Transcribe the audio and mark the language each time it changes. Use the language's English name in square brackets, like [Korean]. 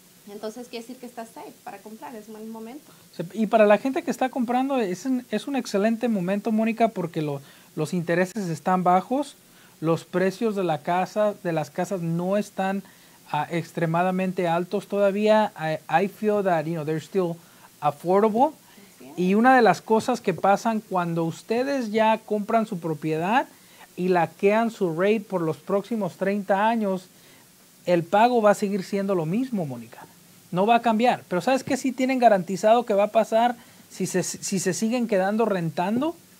[Spanish] Entonces quiere decir que está safe para comprar, es un buen momento. Y para la gente que está comprando, es un excelente momento, Mónica, porque los intereses están bajos, los precios de las casas no están extremadamente altos todavía. [English] I feel that, you know, they're still affordable. [Spanish] Y una de las cosas que pasan cuando ustedes ya compran su propiedad y laquean su rate por los próximos 30 años, el pago va a seguir siendo lo mismo, Mónica. No va a cambiar. Pero ¿sabes qué sí tienen garantizado que va a pasar si se siguen quedando rentando?